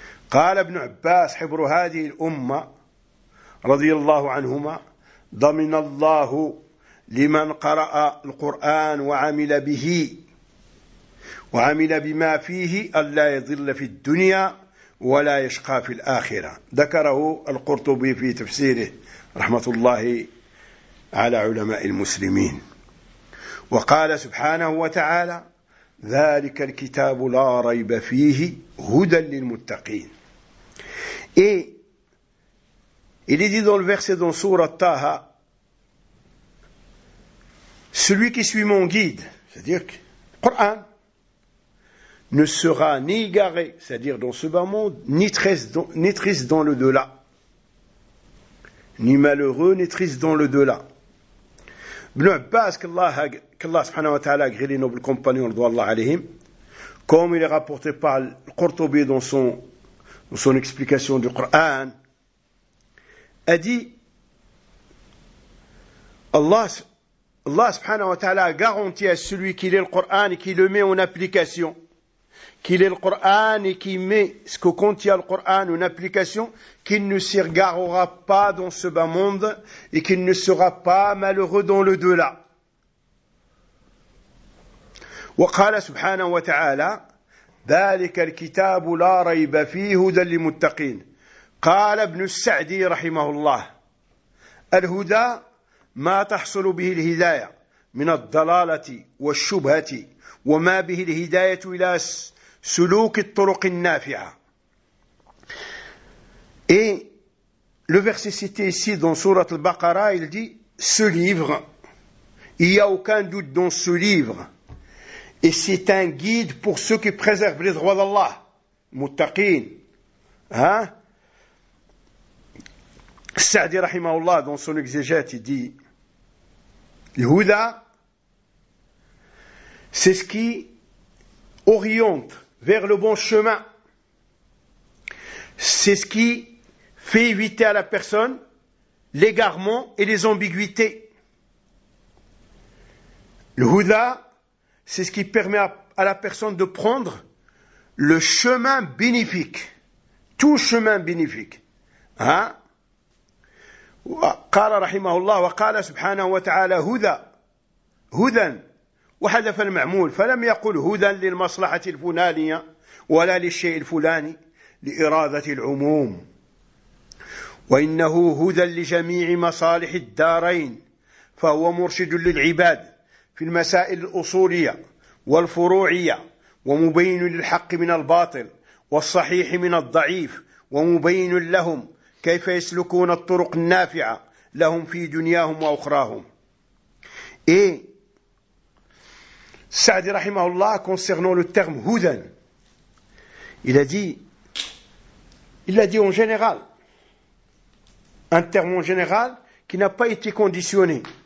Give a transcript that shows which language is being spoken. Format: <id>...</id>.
<ar>قال ابن عباس حبر هذه الأمة رضي الله عنهما ضمن الله لمن قرأ القرآن وعمل به وعمل بما فيه ألا يضل في الدنيا ولا يشقى في الآخرة. ذكره القرطبي في تفسيره رحمة الله على علماء المسلمين. وقال سبحانه وتعالى ذلك الكتاب لا ريب فيه هدى للمتقين.</ar> <fr>Et il est dit dans le verset dans sourate Taha, celui qui suit mon guide, c'est-à-dire le Coran, ne sera ni égaré, c'est-à-dire dans ce bas monde, ni triste dans le delà, ni malheureux, ni triste dans le delà. Ibn Abbas, qu'Allah subhanahu wa ta'ala agré les nobles compagnons, comme il est rapporté par le Qurtubi dans son explication du Qur'an, a dit, Allah subhanahu wa ta'ala a garanti à celui qui lit le Qur'an et qui le met en application, qui lit le Qur'an et qui met ce que contient le Qur'an en application, qu'il ne s'y regardera pas dans ce bas monde et qu'il ne sera pas malheureux dans le delà.</fr> <ar>وقال سبحانه وتعالى ذلك الكتاب لا ريب فيه هدى للمتقين. قال ابن السعدي رحمه الله الهدى ما تحصل به الهداية من الضلالة والشبهة وما به الهداية إلى سلوك الطرق النافعة.</ar> <fr>Et le verset cité ici dans sourate Al-Baqara, il dit ce livre, il n'y a aucun doute dans ce livre. Et c'est un guide pour ceux qui préservent les droits d'Allah. Muttaqin. Sa'di rahimahullah, dans son exégète, il dit, l'huda, c'est ce qui oriente vers le bon chemin. C'est ce qui fait éviter à la personne l'égarement et les ambiguïtés. L'huda, c'est ce qui permet à la personne de prendre le chemin bénéfique. Tout chemin bénéfique.</fr> <ar>وقال رحمه الله وقال سبحانه وتعالى هدى هدى وحذف المعمول فلم يقل هدى للمصلحة الفلانية ولا للشيء الفلاني لإرادة العموم، وإنه هدى لجميع مصالح الدارين، فهو مرشد للعباد في المسائل الأصولية والفروعية، ومبين للحق من الباطل والصحيح من الضعيف، ومبين لهم كيف يسلكون الطرق النافعة لهم في دنياهم وأخراهم.</ar> <fr>Et سعد</fr> <ar>رحمه الله</ar> <fr>concernant le terme هدى, Il a dit en général, un terme en général qui n'a pas été conditionné.</fr>